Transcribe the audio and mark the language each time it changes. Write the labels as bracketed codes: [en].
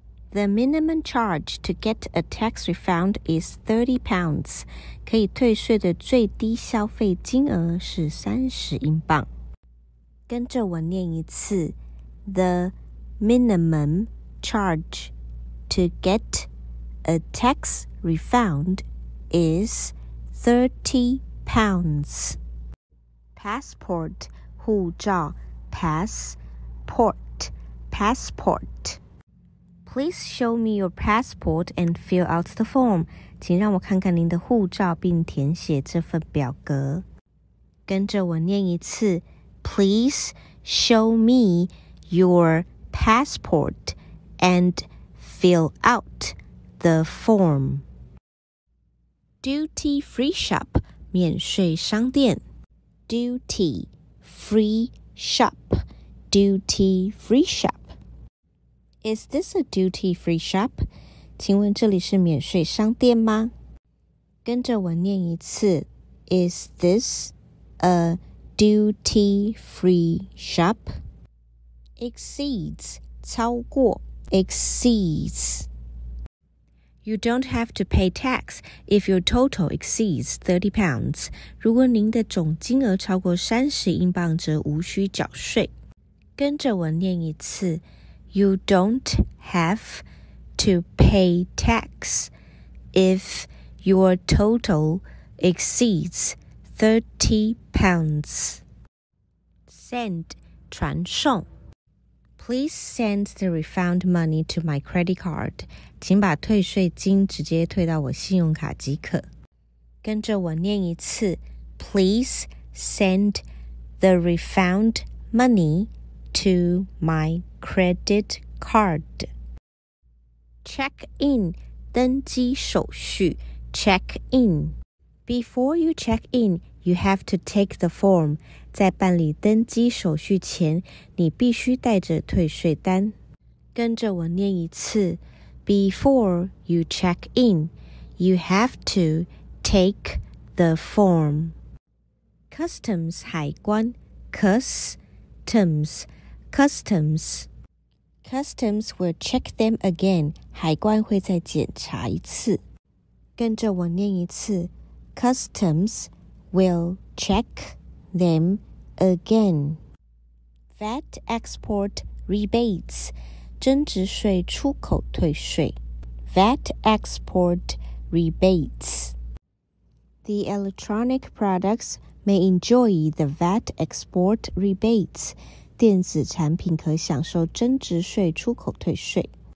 [en] The minimum charge to get a tax refund is £30. [zh] 可以退税的最低消费金额是30英镑。跟着我念一次。 [en] The minimum charge to get a tax refund is £30. Passport. [zh] 护照 [en] passport, passport. Please show me your passport and fill out the form. [zh] 请让我看看您的护照并填写这份表格。跟着我念一次。 [en] Please show me your passport and fill out the form. Duty free shop, [zh] 免税商店。 [en] Duty. Free shop, duty free shop. Is this a duty free shop? [zh] 请问这里是免税商店吗？跟着我念一次。 [en] Is this a duty free shop? Exceeds, [zh] 超过。 [en] Exceeds. You don't have to pay tax if your total exceeds £30. [zh] 如果您的总金额超过30英镑则无需缴税。跟着我念一次。 [en] You don't have to pay tax if your total exceeds £30. Send [zh] 传送 [en] Please send the refund money to my credit card. [zh] 请把退税金直接退到我信用卡即可。跟着我念一次 [en] Please send the refund money to my credit card. Check in [zh] 登机手续 [en] Check in. Before you check in, you have to take the form. [zh] 在办理登机手续前你必须带着退税单。跟着我念一次 [en] Before you check in, you have toTake the form. Customs [zh] 海关 [en] Customs Customs Customs will check them again. [zh] 海关会再检查一次。跟着我念一次 [en] Customs will check them again. VAT export rebates [zh] 增值税出口退税 [en] VAT export rebates. The electronic products may enjoy the VAT export rebates. [zh] 电子产品可享受增值税出口退税。